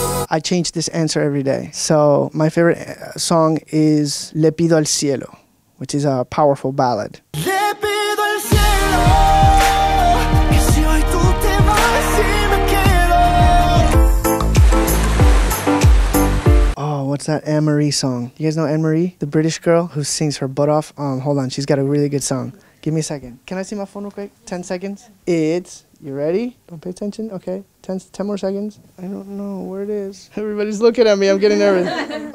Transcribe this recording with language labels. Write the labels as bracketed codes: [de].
[en] I change this answer every day. So my favorite song is Le Pido al Cielo, which is a powerful ballad. [es] Le pido al cielo, que si hoy tú te vas y me quedo. [en] Oh, what's that Anne-Marie song? You guys know Anne-Marie? The British girl who sings her butt off? Hold on, she's got a really good song. Give me a second. Can I see my phone real quick? 10 seconds. It's, you ready? Don't pay attention, okay. 10 more seconds. I don't know where it is. Everybody's looking at me, I'm getting nervous.